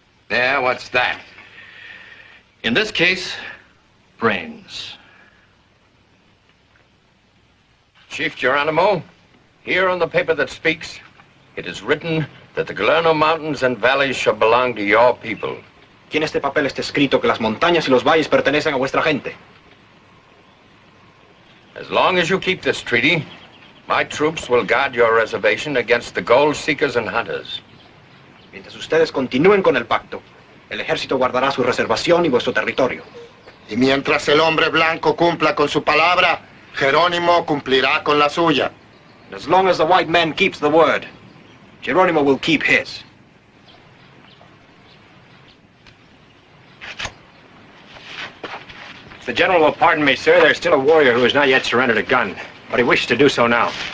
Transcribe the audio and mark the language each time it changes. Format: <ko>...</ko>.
<en>Yeah, what's that? In this case, brains. Chief Geronimo, here on the paper that speaks, it is written that the Glerno Mountains and Valleys shall belong to your people.</en> <es>En este papel está escrito que las montañas y los valles pertenecen a vuestra gente.</es> <en>As long as you keep this treaty, my troops will guard your reservation against the gold seekers and hunters.</en> <es>Mientras ustedes continúen con el pacto, el ejército guardará su reservación y vuestro territorio. Y mientras el hombre blanco cumpla con su palabra, Jerónimo cumplirá con la suya.</es> <en>And as long as the white man keeps the word, Jerónimo will keep his. The general will pardon me, sir. There's still a warrior who has not yet surrendered a gun, but he wishes to do so now.</en>